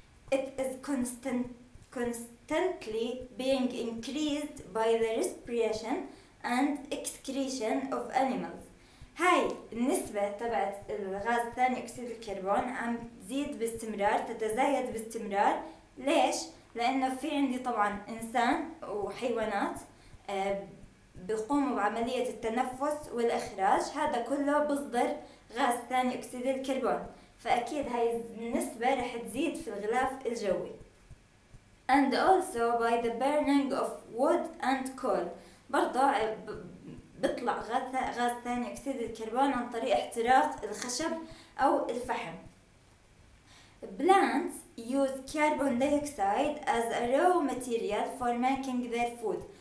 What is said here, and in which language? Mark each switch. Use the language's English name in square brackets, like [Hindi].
[English] It is constantly being increased by the respiration and excretion of animals. [Arabic] هاي النسبة تبعت الغاز ثاني أكسيد الكربون عم تزيد باستمرار، تتزايد باستمرار. ليش؟ لأنه في عندي طبعاً إنسان وحيوانات بيقوموا بعملية التنفس والإخراج، هذا كله بصدر غاز ثاني أكسيد الكربون، فأكيد هاي النسبة رح تزيد في الغلاف الجوي. [English] And also by the burning of wood and coal. [Arabic] برضو بطلع غاز ثاني أكسيد الكربون عن طريق احتراق الخشب أو الفحم. [English] Plants use carbon dioxide as a raw material for making their food.